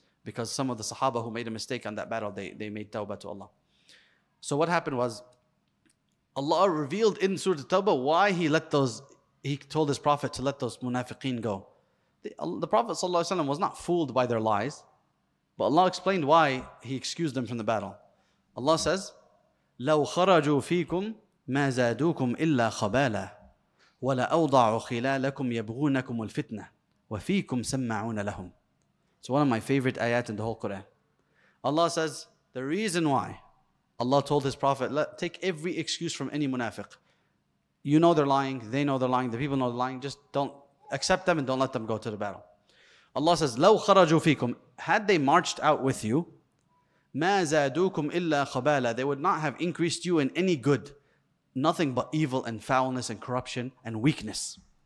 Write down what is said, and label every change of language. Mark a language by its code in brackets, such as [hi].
[en] Because some of the Sahaba who made a mistake on that battle, they made tawbah to Allah. So what happened was, Allah revealed in Surah At-Tawbah why He told His Prophet to let those munafiqeen go. The Prophet ﷺ was not fooled by their lies, but Allah explained why He excused them from the battle. Allah says, [ar] لَوْ خَرَجُوا فِيكُمْ مَا زَادُوكُمْ إِلَّا خَبَالًا وَلَأَوْضَعُوا خِلَالَكُمْ يَبْغُونَكُمُ الْفِتْنَةِ وَفِيكُمْ سَمَّعُونَ لَهُمْ [en] It's one of my favorite ayat in the whole Quran. Allah says, the reason why Allah told His Prophet, take every excuse from any munafiq. You know they're lying, they know they're lying, the people know they're lying, just don't accept them and don't let them go to the battle. Allah says, [ar] لَوْ خَرَجُوا فِيكُمْ [en] Had they marched out with you, [ar] مَا زَادُوكُمْ إِلَّا خَبَالًا [en] They would not have increased you in any good, nothing but evil and foulness and corruption and weakness.